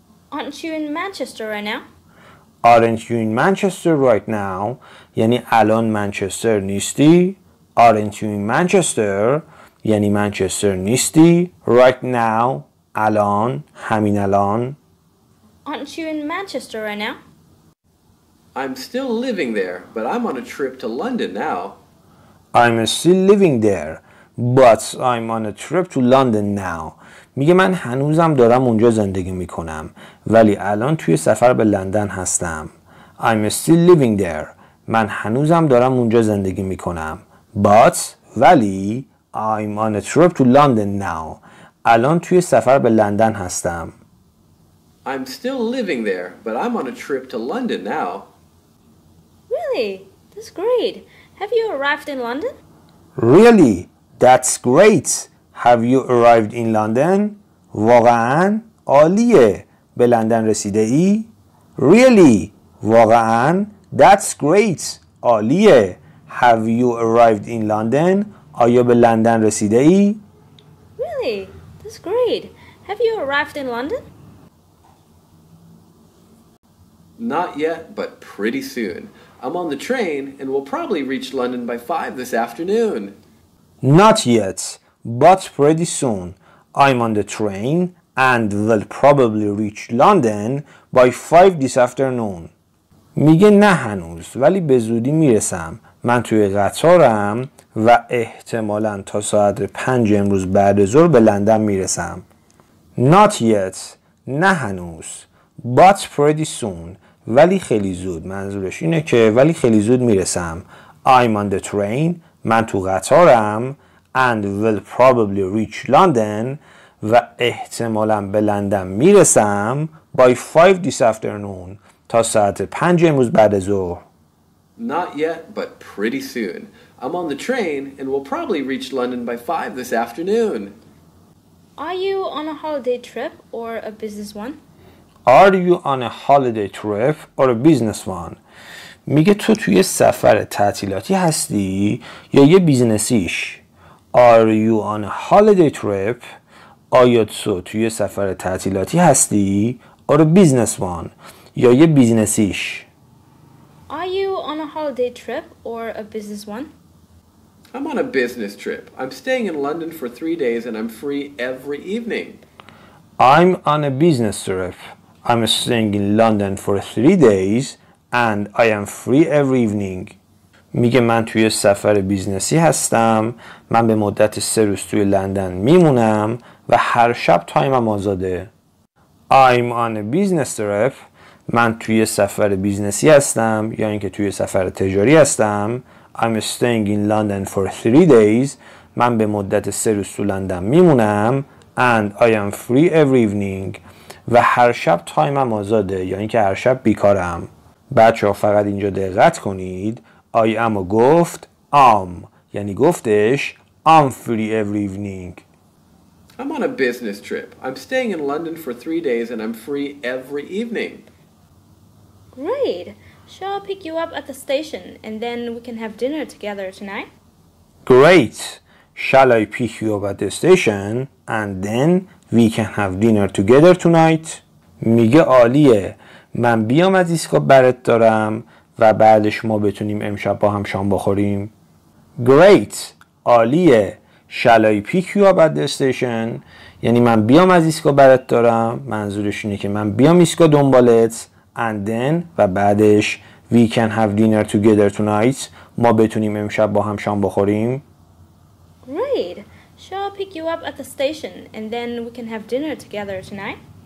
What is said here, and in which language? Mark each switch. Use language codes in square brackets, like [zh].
[en] Aren't you in Manchester right now? Aren't you in Manchester right now? [fa] یعنی الان منچستر نیستی؟ [en] Aren't you in Manchester? [fa] یعنی منچستر نیستی؟ [en] Right now, [fa] الان, همین الان. [en] Aren't you in Manchester right now? I'm still living there, but I'm on a trip to London now. I'm still living there, but I'm on a trip to London now. [fa] میگه من هنوزم دارم اونجا زندگی میکنم ولی الان توی سفر به لندن هستم. [en] I'm still living there. [fa] من هنوزم دارم اونجا زندگی میکنم. [en] But, [fa] ولی, [en] I'm on a trip to London now. [fa] الان توی سفر به لندن هستم. [en] I'm still living there, but I'm on a trip to London now. Really? That's great. Have you arrived in London? Really? That's great. Have you arrived in London? [fa] واقعاً عالیه. به لندن رسیده ای؟ [en] Really? [fa] واقعاً [en] That's great. [fa] عالیه. [en] Have you arrived in London? [fa] آیا به لندن رسیده ای؟ [en] Really? That's great. Have you arrived in London? Not yet, but pretty soon. I'm on the train and we'll probably reach London by 5 this afternoon. Not yet. But pretty soon, I'm on the train and will probably reach London by 5 this afternoon. [fa] میگه نه هنوز ولی به زودی میرسم. من توی قطارم و احتمالاً تا ساعت 5 امروز بعد ظهر به لندن میرسم. [en] Not yet. [fa] نه هنوز. [en] But pretty soon. [fa] ولی خیلی زود. منظورش اینه که ولی خیلی زود میرسم. [en] I'm on the train. [fa] من تو قطارم. [en] And will probably reach London [fa] و احتمالاً به لندن میرسم [en] by 5 this afternoon [fa] تا ساعت 5 امروز بعد از ظهر. [en] Not yet, but pretty soon. I'm on the train and will probably reach London by 5 this afternoon. Are you on a holiday trip or a business one? Are you on a holiday trip or a business one? [fa] میگه تو توی سفر تعطیلاتی هستی یا یه بیزنسیش؟ [en] Are you on a holiday trip? [fa] آیا تو توی سفر تعطیلاتی هستی؟ [en] Or a business one؟ [fa] یا یه بیزنسیش؟ [en] Are you on a holiday trip or a business one? I'm on a business trip. I'm staying in London for 3 days and I'm free every evening. I'm on a business trip. I'm staying in London for 3 days and I am free every evening. [fa] میگه من توی سفر بیزنسی هستم. من به مدت 3 روز توی لندن میمونم و هر شب تایمم آزاده. [en] I'm on a business trip. [fa] من توی سفر بیزنسی هستم یا اینکه توی سفر تجاری هستم. [en] I'm staying in London for 3 days. [fa] من به مدت 3 روز تو لندن میمونم. [en] And I am free every evening. [fa] و هر شب تایمم آزاده یا اینکه هر شب بیکارم. بچه ها فقط اینجا دقت کنید. [en] I am [fa] و گفت [en] am [fa] یعنی گفتش [en] I'm free every evening. I'm on a business trip. I'm staying in London for 3 days and I'm free every evening. Great. Shall I pick you up at the station and then we can have dinner together tonight? Great. Shall I pick you up at the station and then we can have dinner together tonight? [fa] میگه عالیه. من بیام از ایسکا برات دارم و بعدش ما بتونیم امشب با هم شام بخوریم. [en] Great. [fa] عالیه. [en] Shall I pick you up at the station؟ [fa] یعنی من بیام از ایسکا برات دارم. منظورش اینه که من بیام ایسکا دنبالت [en] and then [fa] و بعدش [en] we can have dinner together tonight. [fa] ما بتونیم امشب با هم شام بخوریم. [en] Great. Shall I pick you up at the station and then we can have dinner together tonight?